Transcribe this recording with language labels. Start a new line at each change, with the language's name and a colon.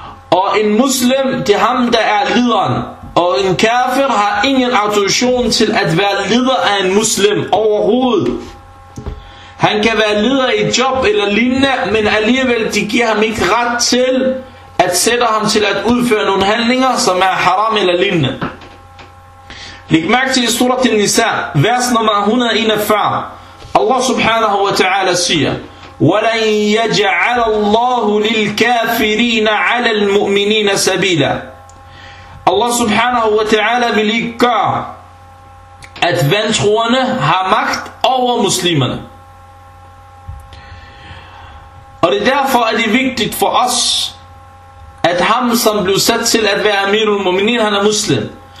Danish: Og en muslim, det er ham, der er lederen. Og en kafir har ingen autorisation til at være leder af en muslim overhovedet. Han kan være leder i et job eller lignende, men alligevel, de giver ham ikke ret til at sætte ham til at udføre nogle handlinger, som er haram eller lignende. Læg mærke til i surat al-Nisa, vers nummer 141.
Arabic: Allah subhanahu wa ta'ala siger, وَلَنْ يَجَعَلَ اللَّهُ لِلْكَافِرِينَ عَلَى الْمُؤْمِنِينَ سَبِيلًا.
Danish: Allah subhanahu wa ta'ala vil ikke gøre, at vantroerne har magt over muslimerne. Og det er derfor, at det er vigtigt for os, at ham, som blev sat til at være amir al-mu'minin, han er muslim.